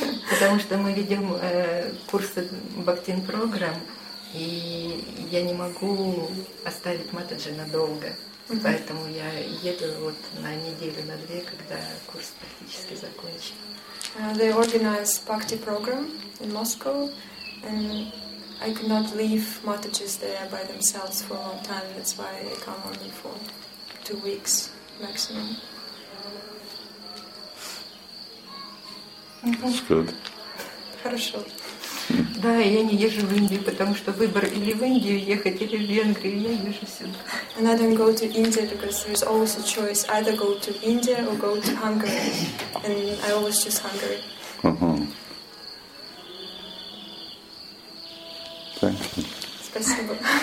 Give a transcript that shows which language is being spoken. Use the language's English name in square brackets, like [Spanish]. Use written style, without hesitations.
[Russian] Потому что мы ведем курсы Бхактин Программ, и я не могу оставить Матаджи надолго. Mm-hmm. Поэтому я еду вот на неделю, на две, когда курс практически закончен. [English] They organize Bhakti Program in Moscow, and I could not leave Matadji there by themselves for a long time. That's why I come only for 2 weeks maximum. That's good. [Russian] Хорошо. Да, я не езжу в Индию, потому что выбор или в Индию ехать, или в Венгрию, я езжу сюда. [English] And I don't go to India because there's always a choice: either go to India or go to Hungary, and I always choose Hungary. Thank you. [Russian] Спасибо.